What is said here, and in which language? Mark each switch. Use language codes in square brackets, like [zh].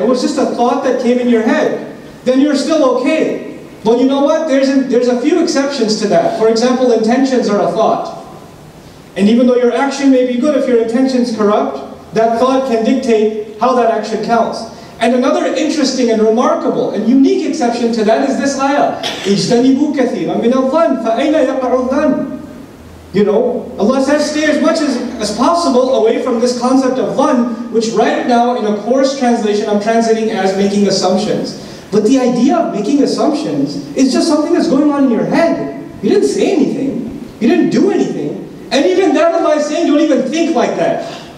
[en] It was just a thought that came in your head. Then you're still okay. But you know what? There's a few exceptions to that. For example, intentions are a thought. And even though your action may be good, if your intention's corrupt, that thought can dictate how that action counts. And another interesting and remarkable and unique exception to that is this ayah. [ar] اجتنبوا كثيرا من الظن فأين يقع الظن. [en] You know, Allah says stay as much as possible away from this concept of dhan, which right now in a coarse translation I'm translating as making assumptions. But the idea of making assumptions is just something that's going on in your head. You didn't say anything. You didn't do anything. And even that Allah is saying don't even think like that.